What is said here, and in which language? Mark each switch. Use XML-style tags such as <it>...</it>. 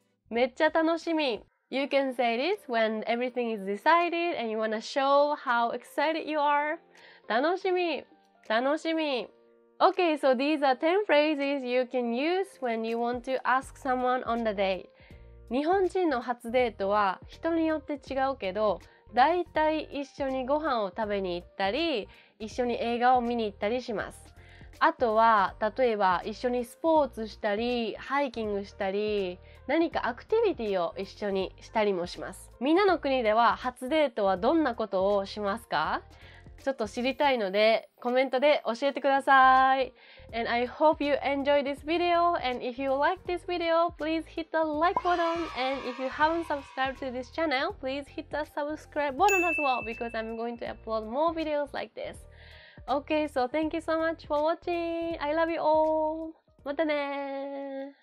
<ja>めっちゃ楽しみ。</ja> <en>You can say this when everything is decided and you wanna show how excited you are.</en> <ja>楽しみ。楽しみ。</ja> <en>Okay, so these are 10 phrases you can use when you want to ask someone on the date.</en> <ja>日本人の初デートは人によって違うけど、だいたい一緒にご飯を食べに行ったり、一緒に映画を見に行ったりします。あとは例えば一緒にスポーツしたりハイキングしたり何かアクティビティを一緒にしたりもします。みんなの国では初デートはどんなことをしますか？ちょっと知りたいのでコメントで教えてください。</ja> <en>And I hope you enjoy this video and if you like this video please hit the like button and if you haven't subscribed to this channel please hit the subscribe button as well because I'm going to upload more videos like thisOkay, so thank you so much for watching. I love you all.</en> <ja>またねー!</ja>